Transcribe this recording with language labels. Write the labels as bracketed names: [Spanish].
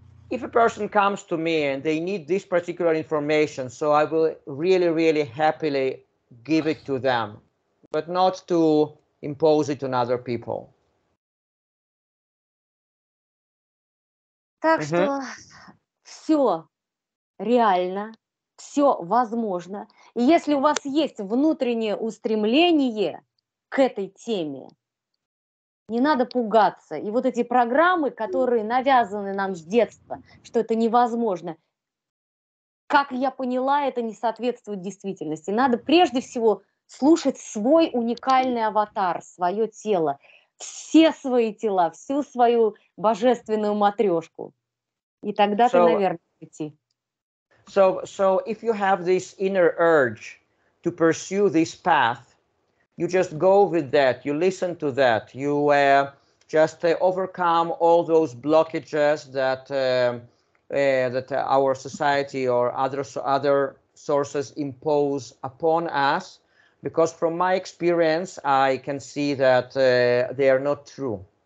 [English] If a person comes to me and they need this particular information, so I will really, really happily give it to them, but not to impose it on other people. [Russian] Так что все реально, все возможно. И если у вас есть внутреннее устремление к этой теме, не надо пугаться. И вот эти программы, которые навязаны нам с детства, что это невозможно, как я поняла, это не соответствует действительности. Надо прежде всего слушать свой уникальный аватар, свое тело, все свои тела, всю свою божественную матрешку. И тогда ты, наверное, прийти. [English] So if you have this inner urge to pursue this path, you just go with that, you listen to that, you overcome all those blockages that that our society or other sources impose upon us, because from my experience, I can see that they are not true.